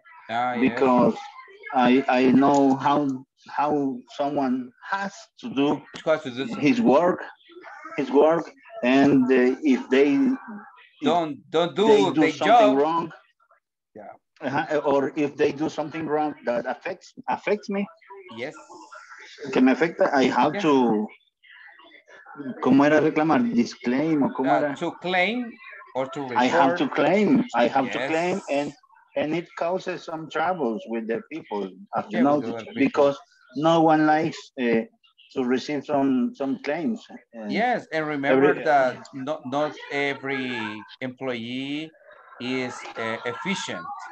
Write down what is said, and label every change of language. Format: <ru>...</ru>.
<en>Because I know how someone has to do his work, and if they don't do something wrong, or if they do something wrong that affects me, yes.</en> <es>Que me afecta,</es> <en>I have to,</en> <es>¿cómo era reclamar? Disclaim, o cómo era?</es> <en>To claim or to report. I have to claim, and it causes some troubles with the people, you know, because no one likes to receive some claims. Yes, and remember that not every employee is efficient.</en>